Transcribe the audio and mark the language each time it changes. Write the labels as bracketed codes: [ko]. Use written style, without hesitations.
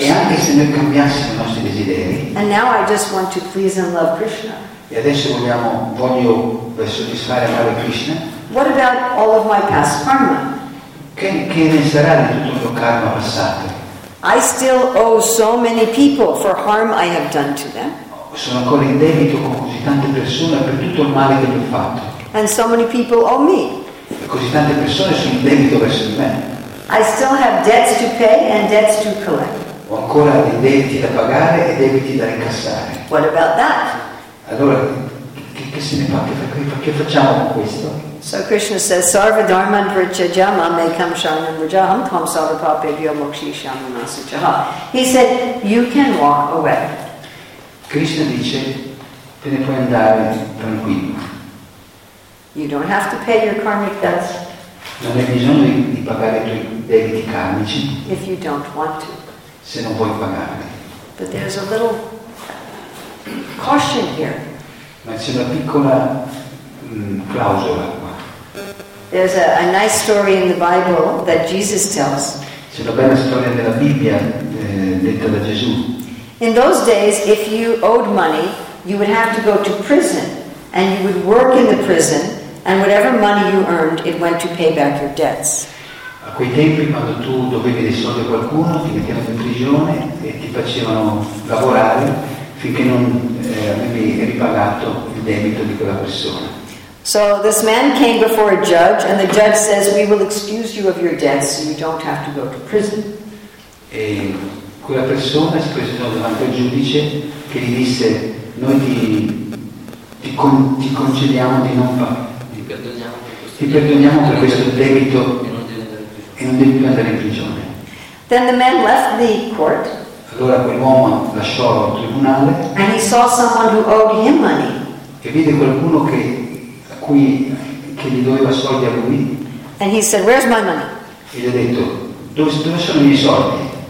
[it] e anche se noi cambiassimo i nostri desideri, [en] and now I just want to please and love Krishna, [it] e adesso voglio soddisfare e amare Krishna, [en] what about all of my past karma? [it] Che ne sarà di tutto il mio karma passato? [en] I still owe so many people for harm I have done to them. [it] Sono ancora in debito con così tante persone per tutto il male che gli ho fatto. [en] And so many people owe me. [it] E così tante persone sono in debito verso di me. [en] I still have debts to pay and debts to collect. [it] Ho ancora dei debiti da pagare e debiti da incassare. [en] What about that? [it] Allora, che se ne fa? Che facciamo con questo? [en] So Krishna says, [sa] Sarva dharma pricha jama me kam sharanam vraja ham kam sarva pape vyo mokshi shamanasa jaha. [en] He said, you can walk away. [it] Krishna dice, te ne puoi andare tranquillo. [en] You don't have to pay your karmic debts. [it] Non hai bisogno di pagare i tuoi debiti karmici. [en] If you don't want to. [it] Se non vuoi pagarli. [en] But there's a little caution here. [it] Ma c'è una piccola clausola qua. [en] There's a nice story in the Bible that Jesus tells. [it] C'è una bella storia nella Bibbia detta da Gesù. [en] In those days, if you owed money, you would have to go to prison. And you would work in the prison, and whatever money you earned, it went to pay back your debts. [it] A quei tempi, quando tu dovevi dei soldi a qualcuno, ti mettevano in prigione e ti facevano lavorare finché non avevi ripagato il debito di quella persona. [en] So this man came before a judge, and the judge says, "We will excuse you of your debts, so you don't have to go to prison." [it] E quella persona si presentò davanti al giudice che gli disse, "Noi ti ti concediamo di non fare, ti perdoniamo per questo debito e non devi più andare in prigione. [en] Then the man left the court. [it] Allora quell'uomo lasciò il tribunale. [en] And he saw someone who owed him money. [it] E vide qualcuno che gli doveva soldi a lui. [en] And he said, "Where's my money?" [it] E gli ha detto, dove sono i miei soldi?